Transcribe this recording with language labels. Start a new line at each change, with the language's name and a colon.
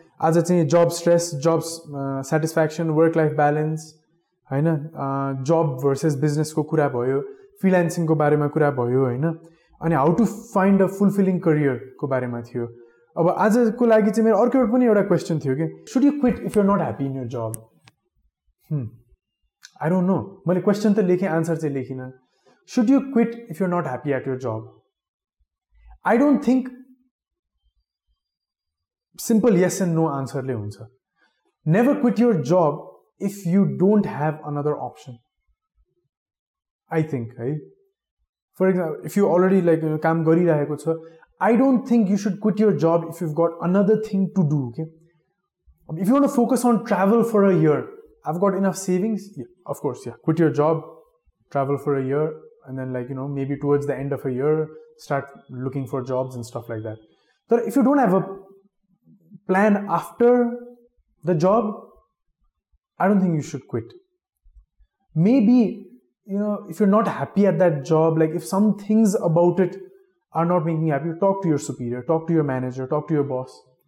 Nepali: आज चाहिँ जब स्ट्रेस, जब satisfaction,
English: work life balance
Nepali: होइन, जब भर्सेस बिजनेसको कुरा भयो, फ्रिलान्सिङको बारेमा कुरा भयो होइन, अनि
English: how to find a fulfilling
Nepali: करियरको बारेमा थियो. अब आजको लागि चाहिँ मेरो अर्को पनि एउटा क्वेस्चन थियो कि
English: Should you quit if you're not happy in your job. I don't know,
Nepali: मैले क्वेसन त लेखेँ आन्सर चाहिँ लेखिनँ.
English: Should you quit if you're not happy at your job. I don't think simple yes and no आन्सरले
Nepali: हुन्छ.
English: Never quit your job if you don't have another option I think है. For example if you already like
Nepali: काम गरिरहेको छ,
English: I don't think you should quit your job if you got another thing to do. Okay, if you want to focus on travel for a year, I've got enough savings, yeah, of course, yeah. Quit your job, travel for a year, and then like, you know, maybe towards the end of a year, start looking for jobs and stuff like that. But if you don't have a plan after the job, I don't think you should quit. Maybe, you know, if you're not happy at that job, like if some things about it are not making you happy, talk to your superior, talk to your manager, talk to your boss.